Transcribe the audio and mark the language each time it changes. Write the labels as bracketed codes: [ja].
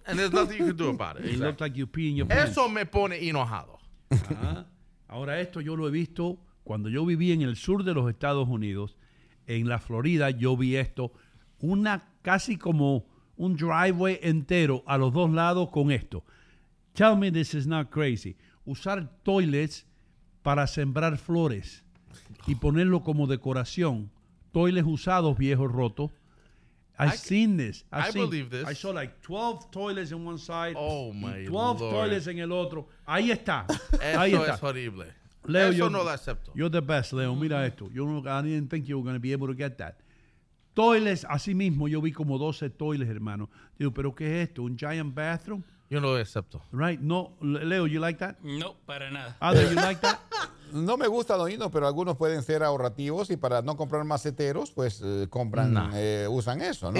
[en] And there's nothing you can do about it. It looks like you pee in your pants. [es] Eso me pone enojado. Uh-huh. Ahora esto yo lo he visto cuando yo viví en el sur de los Estados Unidos. En la Florida yo vi esto. Una casi como un driveway entero a los dos lados con esto. Tell me this is not crazy. Usar toilets para sembrar flores y ponerlo como decoración. Toilets usados, viejos rotos. I've seen this. [en] I saw like 12 toilets in one side. Oh, my God. 12 Lord. [es] Toilets en el otro. Ahí está. Eso ahí está. Es horrible. Leo, eso no lo acepto. [en] You're the best, Leo. Mira esto. I didn't think you were going to be able to get that. [es] Toilets, así mismo, yo vi como 12 toilets, hermano. Digo, ¿pero qué es esto? ¿Un giant bathroom? Yo no lo acepto. [en] Right? No. Leo, you like that? [es] No, para nada. [en] Other, you like that? [es] No me gusta, don Ino, pero algunos pueden ser ahorrativos y para no comprar maceteros, pues compran, usan eso, ¿no?